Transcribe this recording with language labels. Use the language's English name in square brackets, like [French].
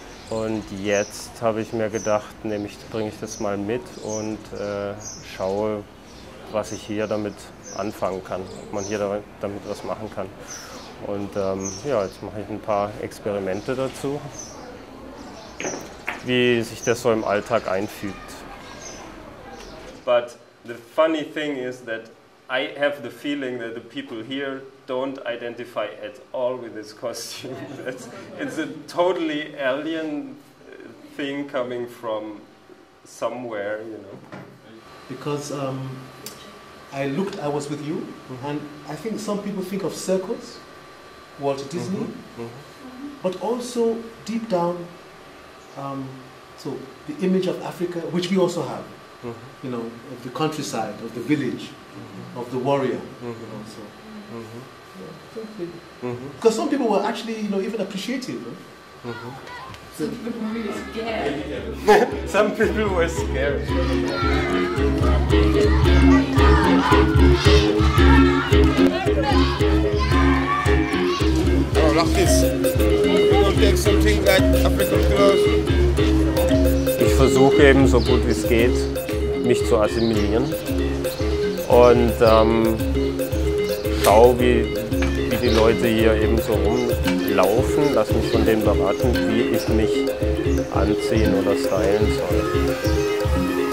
[German] Und jetzt habe ich mir gedacht, nämlich bringe ich das mal mit und schaue, was ich hier damit anfangen kann, ob man hier damit was machen kann. Und ja, jetzt mache ich ein paar Experimente dazu, wie sich das so im Alltag einfügt. [English] But the funny thing is that I have the feeling that the people here don't identify at all with this costume. It's a totally alien thing coming from somewhere, you know. Because I was with you, and I think some people think of circles, Walt Disney, mm-hmm. Mm-hmm. But also deep down, so the image of Africa, which we also have, mm-hmm. You know, of the countryside, of the village, mm-hmm. of the warrior, mm-hmm. You know, so. Mm-hmm. Yeah, because some people were actually, you know, even appreciative. Huh? Mm-hmm. Some people were scared. Oh, like this. We're going to take something like African clothes. [German] Ich versuche eben so gut wie es geht, mich zu assimilieren und schaue, wie die Leute hier eben so rumlaufen, lass mich von denen beraten, wie ich mich anziehen oder stylen soll.